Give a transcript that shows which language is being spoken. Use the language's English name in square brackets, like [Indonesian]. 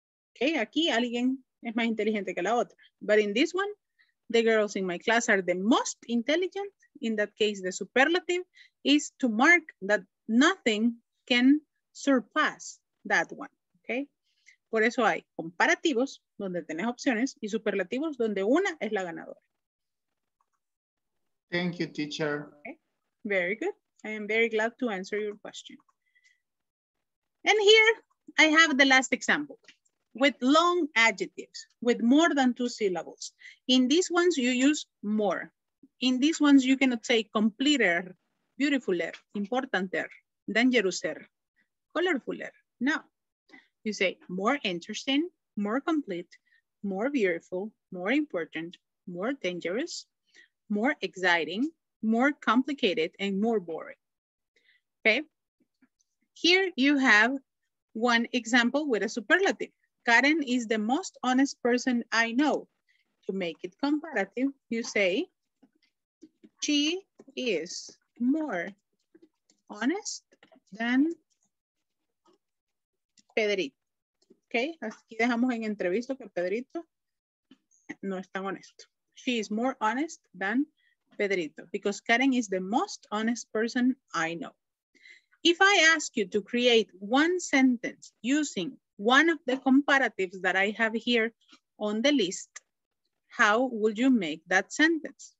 [Spanish] Okay, aquí alguien es más inteligente que la otra. [English] But in this one, the girls in my class are the most intelligent. In that case, the superlative is to mark that nothing can surpass that one. Okay? [Spanish] Por eso hay comparativos, donde tenés opciones, y superlativos, donde una es la ganadora. [English] Thank you, teacher. Okay. Very good. I am very glad to answer your question. And here, I have the last example. With long adjectives, with more than two syllables. In these ones, you use more. In these ones, you cannot say completer, beautifuler, importanter, dangeruser, colorfuler. No. You say more interesting, more complete, more beautiful, more important, more dangerous, more exciting, more complicated, and more boring. Okay? Here you have one example with a superlative. Karen is the most honest person I know. To make it comparative, you say, she is more honest than Pedrito. [Spanish] Okay, aquí dejamos en entrevista que Pedrito no es tan honesto. [English] She is more honest than Pedrito because Karen is the most honest person I know. If I ask you to create one sentence using one of the comparatives that I have here on the list, how would you make that sentence?